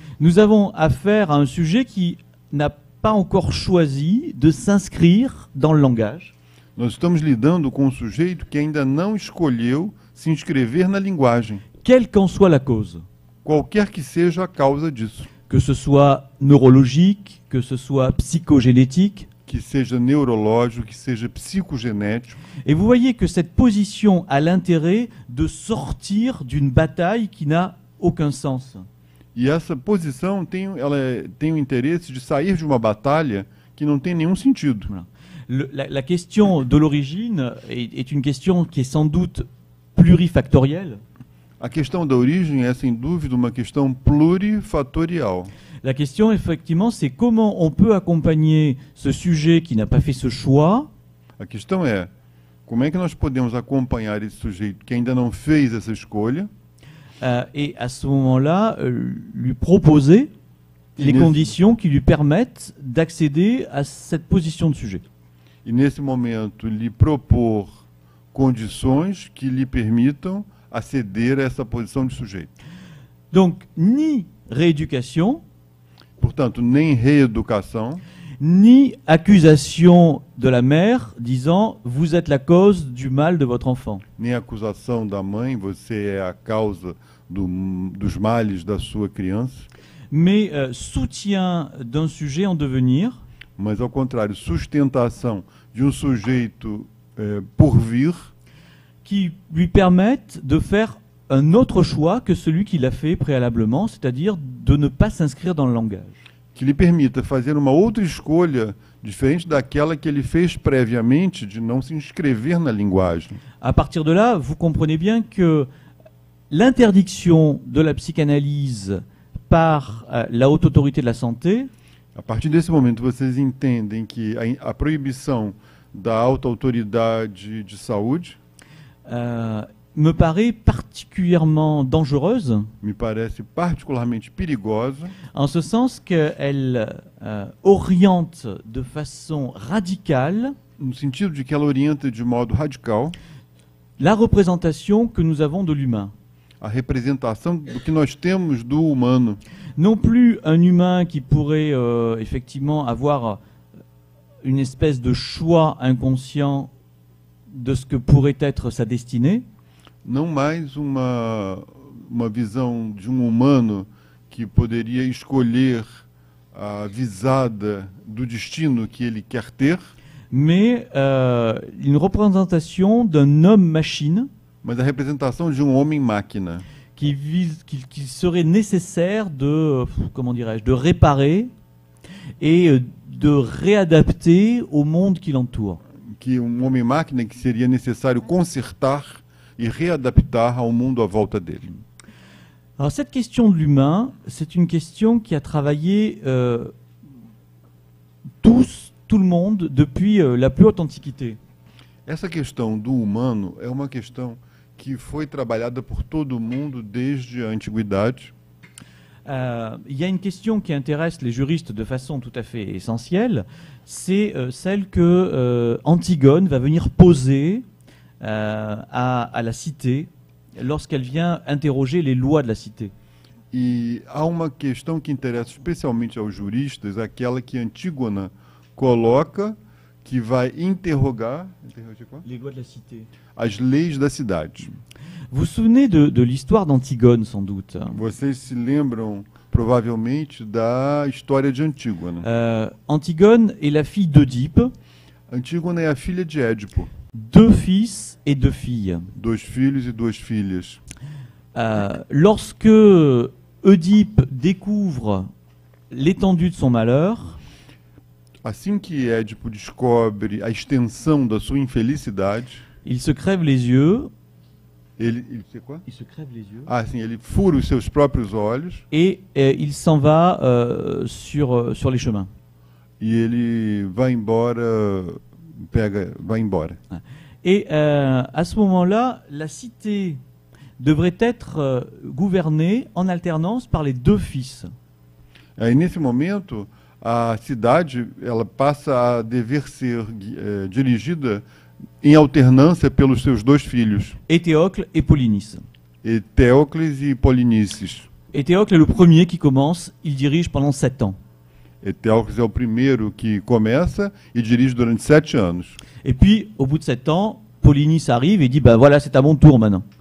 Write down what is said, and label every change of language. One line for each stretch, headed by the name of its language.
French: Nous avons affaire à un sujet qui n'a pas encore choisi de s'inscrire dans le langage.
Portuguese: Nós estamos lidando com um sujeito que ainda não escolheu se inscrever na linguagem.
French: Quelle qu'en soit la cause.
Portuguese: Qualquer que seja a causa disso.
French: Que ce soit neurologique, que ce soit psychogénétique.
Portuguese: Que seja neurológico, que seja psicogenético.
French: Et vous voyez que cette position a l'intérêt de sortir d'une bataille qui n'a aucun sens.
Portuguese: E essa posição tem, ela tem o interesse de sair de uma batalha que não tem nenhum sentido.
French: Voilà. La question de l'origine est une question qui est sans doute plurifactorielle.
Portuguese: A questão da origem é sem dúvida uma questão plurifatorial.
French: La question, effectivement, c'est comment on peut accompagner ce sujet qui n'a pas fait ce choix.
Portuguese: A questão é, como é que nós podemos acompanhar esse sujeito que ainda não fez essa escolha?
French: Et à ce moment-là, lui proposer les conditions qui lui permettent d'accéder à cette position de sujet.
Portuguese: E nesse momento, lhe propor condições que lhe permitam aceder a essa posição de sujeito.
French: Donc, ni rééducation.
Portuguese: Portanto, nem reeducação,
French: ni accusation de la mère disant vous êtes la cause du mal de votre enfant.
Portuguese: Nem acusação da mãe, você é a causa dos males da sua criança.
French: Mais soutien d'un sujet en devenir.
Portuguese: Mas ao contrário, sustentação de um sujeito por vir
French: qui lui permette de faire un autre choix que celui qu'il a fait préalablement, c'est-à-dire de ne pas s'inscrire dans le langage.
Portuguese: Que lhe permita fazer uma outra escolha diferente daquela que ele fez previamente de não se inscrever na linguagem.
French: À partir de là, vous comprenez bien que l'interdiction de la psychanalyse par la haute autorité de la santé.
Portuguese: A partir desse momento, vocês entendem que a proibição da alta autoridade de saúde.
French: Me paraît particulièrement dangereuse.
Portuguese: Me parece particularmente perigosa.
French: En ce sens qu'elle oriente de façon radicale.
Portuguese: No sentido de que ela orienta de modo radical.
French: La représentation que nous avons de l'humain.
Portuguese: A representação do que nós temos do humano.
French: Non plus un humain qui pourrait effectivement avoir une espèce de choix inconscient de ce que pourrait être sa destinée.
Portuguese: Não mais uma visão de um humano que poderia escolher a visada do destino que ele quer ter,
French: mais une représentation d'un homme machine,
Portuguese: mas a representação de um homem máquina
French: que serait nécessaire de, comment dirais-je, de réparer et de réadapter au monde qui l'entoure,
Portuguese: que um homem máquina que seria necessário consertar e readaptar ao mundo à volta dele.
French: Alors, cette question de l'humain, c'est une question qui a travaillé tout le monde depuis la plus haute antiquité.
Portuguese: Essa questão do humano é uma questão que foi trabalhada por todo mundo desde a antiguidade.
French: Il y a une question qui intéresse les juristes de façon tout à fait essentielle, c'est celle que Antigone va venir poser à la cité lorsqu'elle vient interroger les lois de la cité.
Portuguese: E há uma questão que interessa especialmente aos juristas, aquela que Antígona coloca, que vai interrogar,
French: Les lois de la cité.
Portuguese: As leis da cidade.
French: Vous souvenez de l'histoire d'Antigone, sans doute.
Portuguese: Vocês se lembram provavelmente da história de Antígona.
French: Antigone est la fille d'Œdipe.
Portuguese: Antígona é a filha de Édipo.
French: Deux fils et deux filles.
Portuguese: Dois filhos e duas filhas.
French: Lorsque Œdipe découvre l'étendue de son malheur,
Portuguese: assim que Édipo descobre a extensão da sua infelicidade,
French: il se crève les yeux.
Portuguese: Ele sei
French: quoi? Il se crève les yeux.
Portuguese: Ah, sim, ele fura os seus próprios olhos.
French: Et il s'en va sur les chemins.
Portuguese: E ele vai embora, vai embora.
French: Et à ce moment-là, la cité devrait être gouvernée en alternance par les deux fils.
Portuguese: Aí nesse momento, a cidade ela passa a dever ser dirigida em alternância pelos seus dois filhos.
French: Eteocle et Polynices.
Portuguese: Eteocles e Polynices. Eteocle é o primeiro que começa, ele dirige
French: pendant
Portuguese: 7 anos. Eteocles é o primeiro que começa e dirige durante 7 anos.
French: Et puis au bout de 7 ans, Polynices arrive et dit ben voilà, c'est à mon tour maintenant.